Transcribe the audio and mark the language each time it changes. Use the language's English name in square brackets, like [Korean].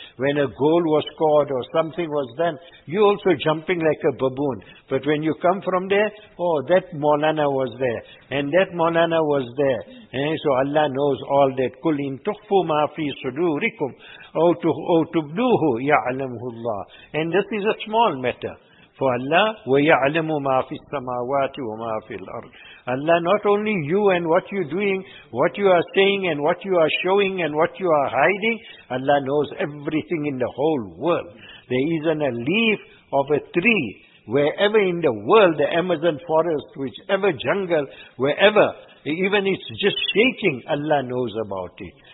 [English] When a goal was scored or something was done, you also jumping like a baboon. But when you come from there, oh, that Maulana was there. And that Maulana was there. And so Allah knows all that. [Arabic] قُلْ إِن تُخْفُوا مَا فِي صُدُورِكُمْ أَوْ تُبْدُوهُ يَعْلَمْهُ اللَّهُ. [English] And this is a small matter. For Allah, [Arabic] وَيَعْلَمُ مَا فِي السَّمَاوَاتِ وَمَا فِي الْأَرْضِ. [English] Allah, not only you and what you're doing, what you are saying and what you are showing and what you are hiding, Allah knows everything in the whole world. There isn't a leaf of a tree, wherever in the world, the Amazon forest, whichever jungle, wherever, even it's just shaking, Allah knows about it.